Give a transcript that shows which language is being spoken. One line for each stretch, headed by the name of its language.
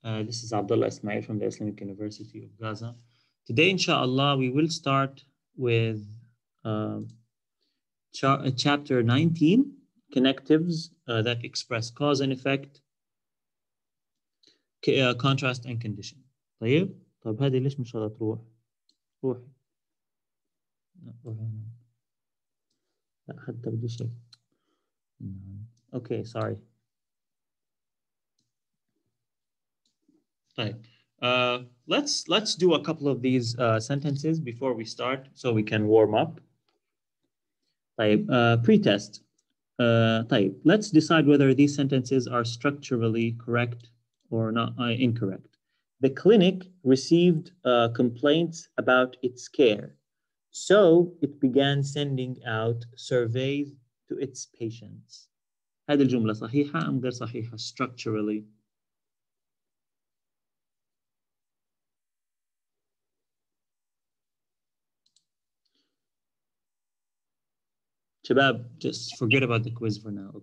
English: This is Abdullah Ismail from the Islamic University of Gaza. Today, inshallah, we will start with chapter 19, connectives that express cause and effect, contrast and condition.
Arabic: طيب، طيب هذه ليش مش راح تروح؟ روحي. لا حتى بدي شيء.
English: Okay, sorry. Okay, let's do a couple of these sentences before we start, so we can warm up. طيب, pretest. طيب, let's decide whether these sentences are structurally correct or not incorrect. The clinic received complaints about its care, so it began sending out surveys to its patients.
Arabic: هذه الجملة صحيحة أم غير صحيحة structurally؟ شباب,
English: just forget about the quiz for now.